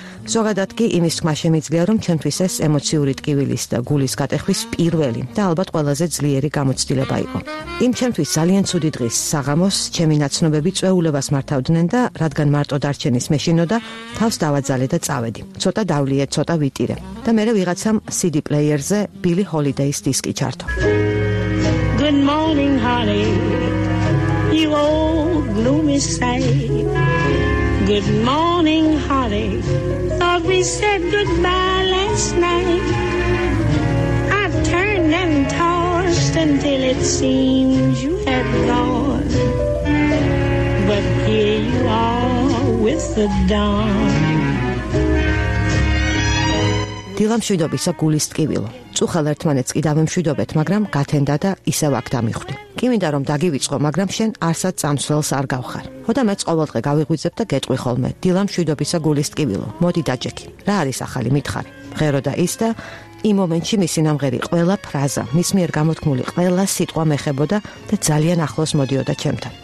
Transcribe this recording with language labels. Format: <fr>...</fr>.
<ka>ზოგადად კი იმის თქმა შემიძლია, რომ ჩემთვის ეს ემოციური ტკივილის და გულის გატეხვის პირველი და ალბათ ყველაზე ძლიერი გამოცდილება იყო. იმ ჩემთვის ძალიან ცუდი დღის საღამოს ჩემი ნაცნობები წვეულებას მართავდნენ და რადგან მარტო დარჩენის მეშინოდა, თავს დავაძალე და წავედი. ცოტა დავლიე, ცოტა ვიტირე. და მერე ვიღაცამ CD პლეიერზე ბილი ჰოლიდეის დისკი ჩართო.</ka> <en>Good morning, honey, you old gloomy sight. Good morning, honey, thought we said goodbye last night. I've turned and tossed until it seems you have gone. But here you are with the dawn.</en> <ka>დილამ შვიდობისა გულის ტკივილო. წუხალ ერთმანეთს კი დავემშვიდობეთ, მაგრამ გათენდა და ისევ აქ დამიხვდი. კი მინდა რომ დაგივიწყო, მაგრამ შენ არსად წამსვლელს არ გავხარ. ხოდა მეც ყოველდღე გავიღვიძებ და გეტყვი ხოლმე. დილამ შვიდობისა გულის ტკივილო. მოდი დაჭექი. რა არის ახალი მითხარი? მღერო და ის და იმ მომენტში მისი ნამღერი ყველა ფრაზა, მის მიერ გამოთქმული ყველა სიტყვა მეხებოდა და ძალიან ახლოს მოდიოდა ჩემთან.</ka>